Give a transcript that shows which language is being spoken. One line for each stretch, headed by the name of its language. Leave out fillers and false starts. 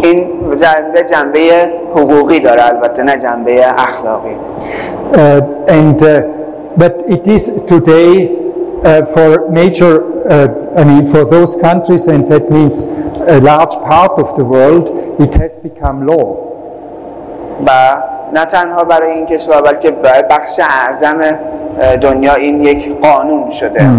Persian: این جنبه جنبه حقوقی داره البته، نه جنبه اخلاقی.
English: And but it is today for major for those countries, and that means a large part of the world, it has become law.
Persian: با نه تنها برای این کشور بلکه بخش اعظم دنیا این یک قانون شده.